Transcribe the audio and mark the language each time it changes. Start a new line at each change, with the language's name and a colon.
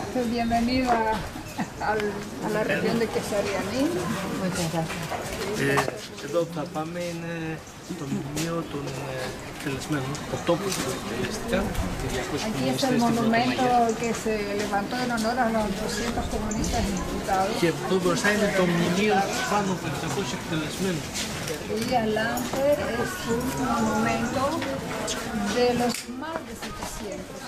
Spanish: Bienvenido a la región de Quesarianín. Muchas gracias.
Greek: Εδώ θα πάμε είναι το μνημείο των εκτελεσμένων, ο τόπος που εκτελέστηκαν.
Spanish: Aquí está el monumento que se levantó en honor a los 200 comunistas diputados.
Greek: Και εδώ μπροστά είναι το μνημείο πάνω από 200 εκτελεσμένων.
Spanish: Y adelante es un monumento de los más de 700.